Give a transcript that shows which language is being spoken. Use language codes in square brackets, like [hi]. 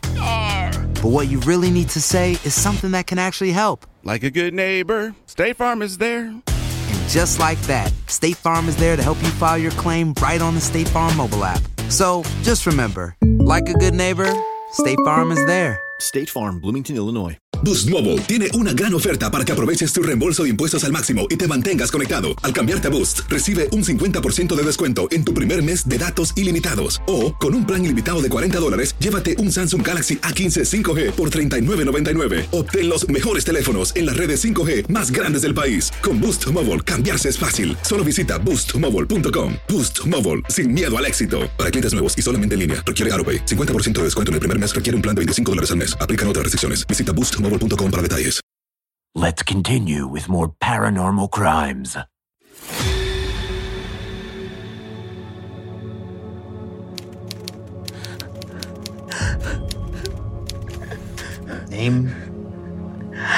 [en] But what you really need to say is something that can actually help. Like a good neighbor, State Farm is there. And just like that, State Farm is there to help you file your claim right on the State Farm mobile app. So, just remember, like a good neighbor, State Farm is there. State Farm, Bloomington, Illinois. [es] Boost Mobile tiene una gran oferta para que aproveches tu reembolso de impuestos al máximo y te mantengas conectado. Al cambiarte a Boost, recibe un 50% de descuento en tu primer mes de datos ilimitados. O, con un plan ilimitado de $40, llévate un Samsung Galaxy A15 5G por $39.99. Obtén los mejores teléfonos en las redes 5G más grandes del país. Con Boost Mobile, cambiarse es fácil. Solo visita BoostMobile.com. Boost Mobile, sin miedo al éxito. Para clientes nuevos y solamente en línea, requiere AutoPay. 50% de descuento en el primer mes requiere un plan de $25 al mes. Aplican otras restricciones. Visita Boost Mobile.com para detalles. [en] Let's continue with more paranormal crimes. Name?